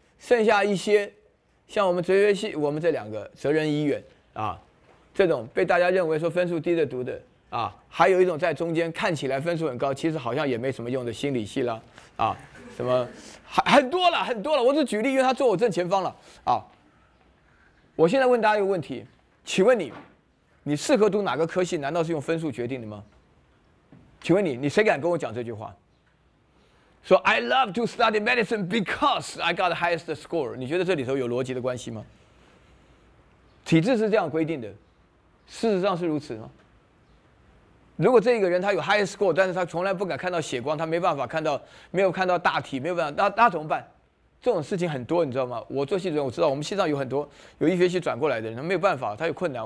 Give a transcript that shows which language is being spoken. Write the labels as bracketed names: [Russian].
[Chinese] 剩下一些，像我们哲学系，我们这两个哲人医院啊，这种被大家认为说分数低的读的啊，还有一种在中间看起来分数很高，其实好像也没什么用的心理系啦，啊，什么很多了，很多了。我只举例，因为他坐我正前方了啊。我现在问大家一个问题，请问你？你适合读哪个科系？难道是用分数决定的吗？请问你，你谁敢跟我讲这句话？ [English] 说 I love to study medicine because I got the highest score。 [Chinese] 你觉得这里头有逻辑的关系吗？体制是这样规定的，事实上是如此吗？如果这个人他有 highest score， 但是他从来不敢看到血光，他没办法看到，没有看到大体，没有办法，那怎么办？这种事情很多，你知道吗？我做系主任，我知道我们系上有很多有医学系转过来的人，他没有办法，他有困难。